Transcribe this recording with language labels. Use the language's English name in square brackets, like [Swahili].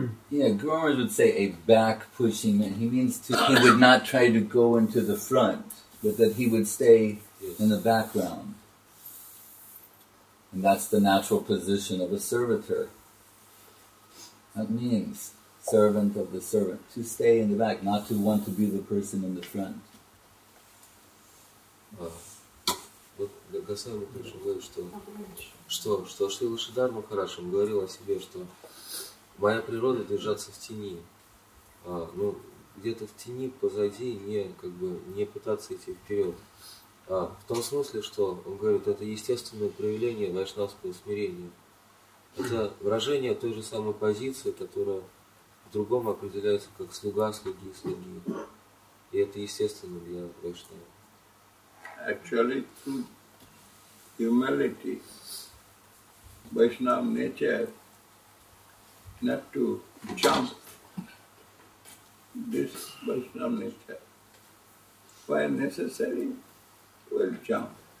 [English] Yeah, Guru Maharaj would say a back pushing man. He means he would not try to go into the front, but that he would stay in the background. And that's the natural position of a servitor. That means servant of the servant, to stay in the back, not to want to be the person in the front. [Russian] Вот Гасай Махарадж говорит, что Шрила Шридхар Махарадж говорил о себе, что моя природа держаться в тени. Ну, где-то в тени позади, не пытаться идти вперед. В том смысле, что он говорит, это естественное проявление вайшнавского смирения. Это выражение той же самой позиции, которая в другом определяется как слуга, слуги и слуги. И это естественно для вайшнава. [English] Actually, through humility, Vaishnava nature, not to jump, this Vaishnava nature, when necessary, will jump.